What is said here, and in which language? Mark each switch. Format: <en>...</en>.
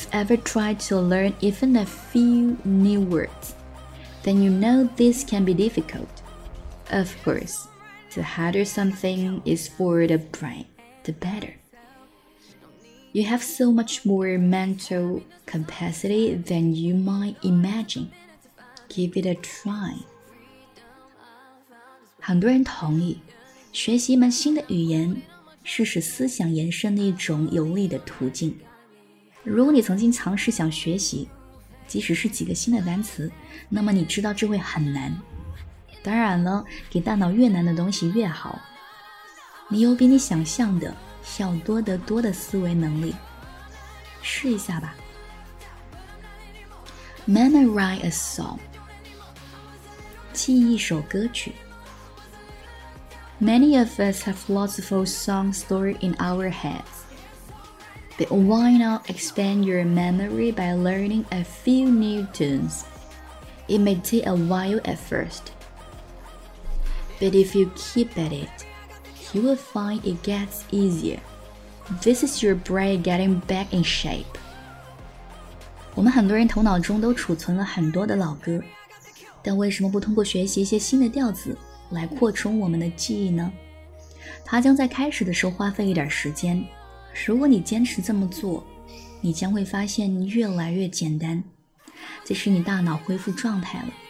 <en>If you've ever tried to learn even a few new words,then you know this can be difficult. Of course, the harder something is for the brain, the better. You have so much more mental capacity than you might imagine. Give it a try.</en> <zh>很多人同意，学习一门新的语言是使思想延伸的一种有力的途径。如果你曾经尝试想学习，即使是几个新的单词，那么你知道这会很难。当然了，给大脑越难的东西越好。你有比你想象的要多得多的思维能力，试一下吧。</zh> <en>Memorize a song，</en> <zh>记一首歌曲。</zh> <en>Many of us have lots of old song stories in our heads. But why not expand your memory by learning a few new tunes? It may take a while at first. But if you keep at it, you will find it gets easier. This is your brain getting back in shape.</en> <zh>我们很多人头脑中都储存了很多的老歌，但为什么不通过学习一些新的调子来扩充我们的记忆呢？它将在开始的时候花费一点时间。如果你坚持这么做，你将会发现越来越简单，这是你大脑恢复状态了。</zh>